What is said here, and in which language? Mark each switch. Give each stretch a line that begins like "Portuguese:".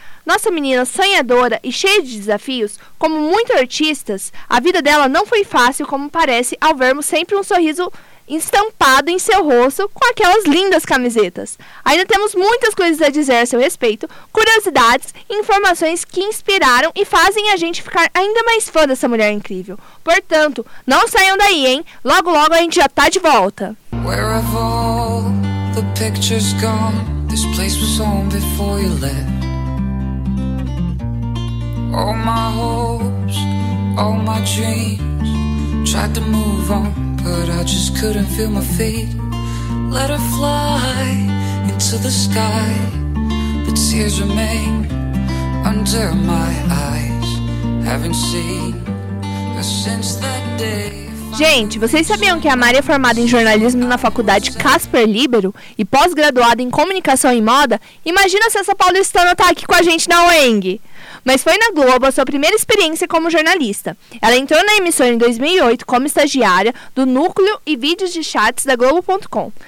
Portuguese: Nossa menina sonhadora e cheia de desafios, como muitos artistas, a vida dela não foi fácil como parece ao vermos sempre um sorriso estampado em seu rosto com aquelas lindas camisetas. Ainda temos muitas coisas a dizer a seu respeito, curiosidades e informações que inspiraram e fazem a gente ficar ainda mais fã dessa mulher incrível. Portanto, não saiam daí, hein? Logo, logo a gente já tá de volta.
English: Where have all the pictures gone? This place was home before you left. All my hopes, all my dreams, tried to move on, but I just couldn't feel my feet. Let her fly into the sky, but tears remain under my eyes. Haven't seen her since that day.
Portuguese: Gente, vocês sabiam que a Mari é formada em jornalismo na Faculdade Casper Libero e pós-graduada em comunicação e moda? Imagina se essa paulistana tá aqui com a gente na UENG! Mas foi na Globo a sua primeira experiência como jornalista. Ela entrou na emissora em 2008 como estagiária do Núcleo e Vídeos de Chats da Globo.com.